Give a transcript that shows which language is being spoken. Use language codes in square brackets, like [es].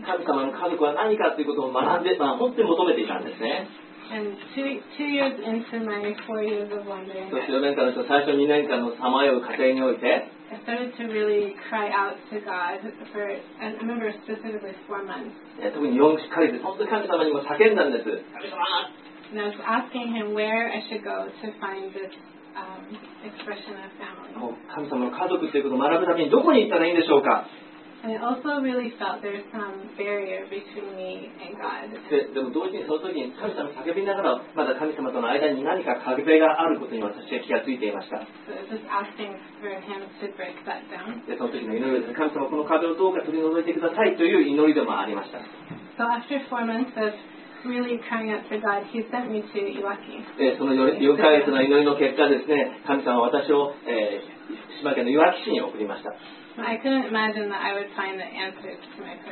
[ja] 神様の家族は何かということを学んで、まあ、本当に求めていたんですね。 [en] 2 years into my 4 years of wandering. [ja] そう、4年間の最初2年間のさまよう過程において。 [en] I started to really cry out to God for, I remember specifically 4 months. [ja] 本当に神様にも叫んだんです。 [en] And I was asking him where I should go to find this expression of family. [ja] 神様の家族っていうことを学ぶためにどこに行ったらいいんでしょうか。 [en] And I also really felt there's some barrier between me and God. [ja] でも同時にその時に神様の叫びながらまだ神様との間に何か壁があることに私は気がついていました。 [en] So just asking for him to break that down. [ja] でその時の祈りで神様この壁をどうか取り除いてくださいという祈りでもありました。 [en] So after 4 months of really crying out to God, he sent me to Iwaki. [ja] その4ヶ月の祈りの結果ですね、神様は私を、島県のいわき市に送りました。 [en] I couldn't imagine that I would find the answers to my